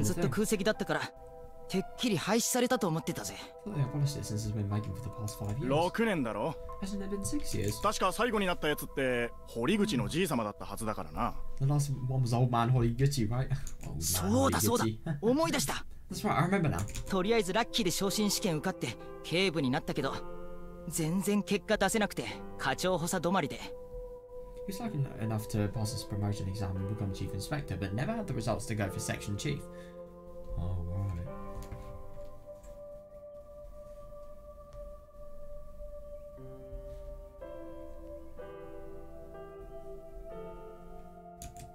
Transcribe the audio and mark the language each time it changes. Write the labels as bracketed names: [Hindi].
[English] they abolished it since it's been making for the past 5 years. Hasn't it been 6 years? The last one was old man Horiguchi, right? Old man Horiguchi. That's right, I remember now. [Japanese] とりあえずラッキーで昇進試験受かって警部になったけど全然結果出せなくて課長補佐止まりで。 [English] He's lucky enough to pass his promotion exam and become chief inspector, but never had the results to go for section chief. Oh, right.